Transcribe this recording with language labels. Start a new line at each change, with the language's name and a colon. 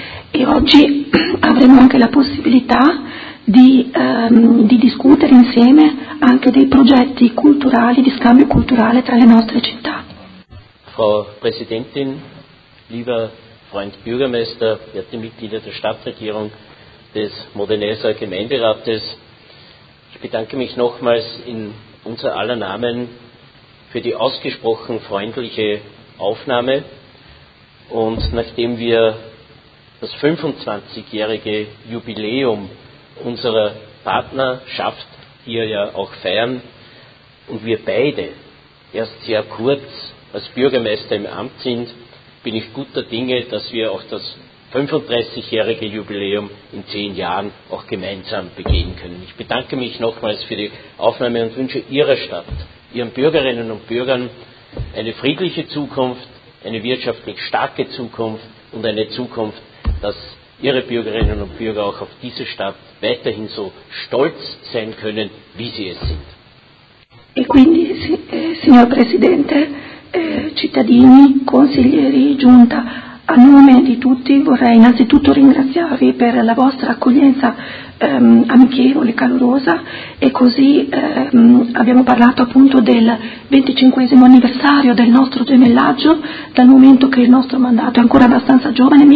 Italian: E oggi avremo anche la possibilità di discutere insieme anche dei progetti culturali, di scambio culturale tra le nostre città.
German: Frau Präsidentin, lieber Freund Bürgermeister, werte Mitglieder der Stadtregierung, des Modeneser Gemeinderates, ich bedanke mich nochmals in unser aller Namen für die ausgesprochen freundliche Aufnahme. Und nachdem wir das 25-jährige Jubiläum unserer Partnerschaft hier ja auch feiern und wir beide erst sehr kurz als Bürgermeister im Amt sind, bin ich guter Dinge, dass wir auch das 35-jährige Jubiläum in 10 Jahren auch gemeinsam begehen können. Ich bedanke mich nochmals für die Aufnahme und wünsche Ihrer Stadt, Ihren Bürgerinnen und Bürgern eine friedliche Zukunft, eine wirtschaftlich starke Zukunft und eine Zukunft, dass Ihre Bürgerinnen und Bürger auch auf diese Stadt weiterhin so stolz sein können, wie sie es sind.
Italian: E quindi, signor Presidente, cittadini, consiglieri, giunta, a nome di tutti vorrei innanzitutto ringraziarvi per la vostra accoglienza amichevole, calorosa, e così abbiamo parlato appunto del 25esimo anniversario del nostro gemellaggio, dal momento che il nostro mandato è ancora abbastanza giovane.